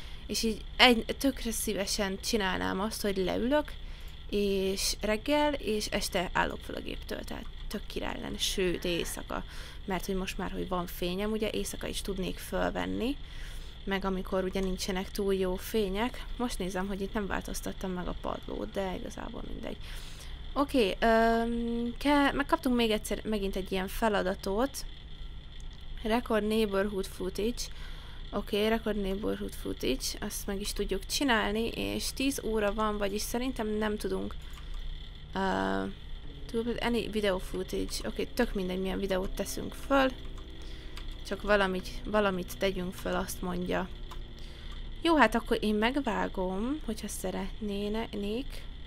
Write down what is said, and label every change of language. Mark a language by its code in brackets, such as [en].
[hu] És így tökre szívesen csinálnám azt, hogy leülök, és reggel, és este állok fel a géptől, tehát tök király lenne, sőt éjszaka, mert hogy most már, hogy van fényem, ugye éjszaka is tudnék fölvenni, meg amikor ugye nincsenek túl jó fények. Most nézem, hogy itt nem változtattam meg a padlót, de igazából mindegy. Oké, megkaptunk még egyszer, megint egy ilyen feladatot. [en] Record neighborhood footage. Oké, record neighborhood footage. [hu] Azt meg is tudjuk csinálni, és 10 óra van, vagyis szerintem nem tudunk... [en] any video footage. [hu] Oké, tök mindegy, milyen videót teszünk föl. Csak valamit tegyünk föl, azt mondja. Jó, hát akkor én megvágom, hogyha szeretnének.